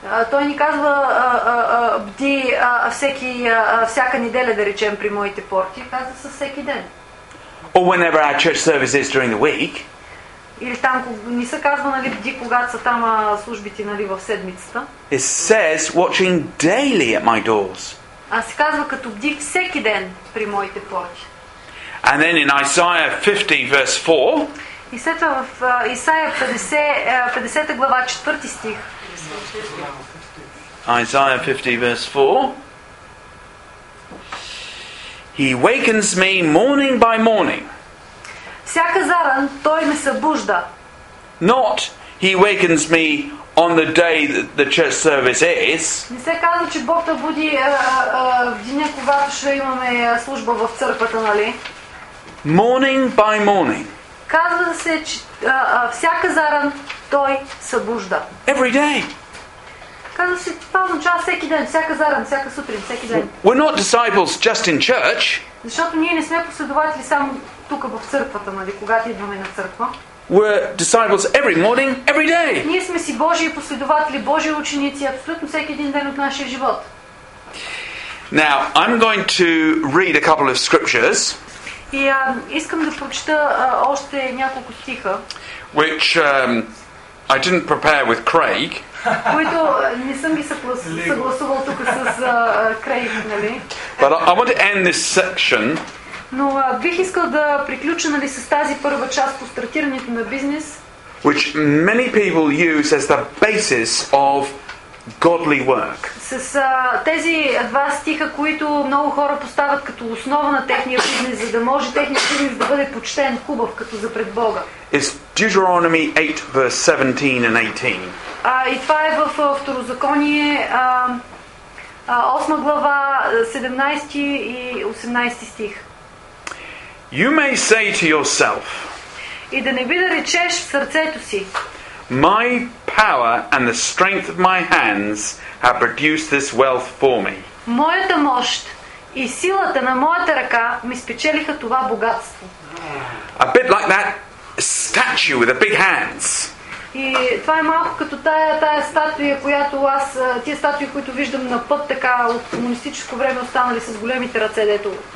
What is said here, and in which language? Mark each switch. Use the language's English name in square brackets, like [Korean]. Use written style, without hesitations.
[Bulgarian] Той ни казва бди всеки всяка неделя, да речем, при моите порти, казва със всеки ден. [English] Or whenever our church service is during the week. [Bulgarian] Или там ни се казва, нали, бди когато са там службите, нали, в седмицата. [English] It says watching daily at my doors. [Bulgarian] А се казва като бди всеки ден при моите порти. [English] And then in Isaiah 50 verse 4. [Bulgarian] Исаия 50 глава 4 стих. [English] Isaiah 50 verse 4. He wakens me morning by morning. [Bulgarian] Всяка заран той ме събужда. [English] Not he wakens me on the day that the church service is. [Bulgarian] Не се казва, че Бог те буди в деня, когато ще имаме служба в църквата, нали? [English] Morning by morning. [Bulgarian] Казва се, че всяка заран той събужда. [English] Every day. [Bulgarian] Казва се, това означава всеки ден, всяка заран, всяка сутрин, всеки ден. [English] We're not disciples just in church. [Bulgarian] Защото ние не сме последователи само тук в църквата, нали, когато идваме на църква. [English] We're disciples every morning, every day. [Bulgarian] Ние сме си Божии последователи, Божии ученици абсолютно всеки един ден от нашия живот. [English] Now, I'm going to read a couple of scriptures. [Bulgarian] И искам да прочета още няколко стиха. [English] Which I didn't prepare with Craig. [Bulgarian] Които не съм ги съгласувал тук с Craig, нали? [English] But I want to end this section. [Bulgarian] Но бих искал да приключа, нали, с тази първа част по стартирането на бизнес. [English] Which many people use as the basis of godly work. [Bulgarian] С тези два стиха, които много хора поставят като основа на техния бизнес, за да може техния бизнес да бъде почтен, хубав, като за пред Бога. [English] It's Deuteronomy 8, verse 17 and 18. [Bulgarian] И това е в Второзаконие 8 глава 17 и 18 стих. [English] You may say to yourself. [Bulgarian] И да не би да речеш в сърцето си. [English] My power and the strength of my hands have produced this wealth for me. [Bulgarian] Моята мощ и силата на моята ръка ми спечелиха това богатство. [English] A bit like that statue with the big hands. [Bulgarian] И това е малко като тая статуя, която аз, тия статуи, които виждам на път, така от комунистическо време останали с големите ръце, дето.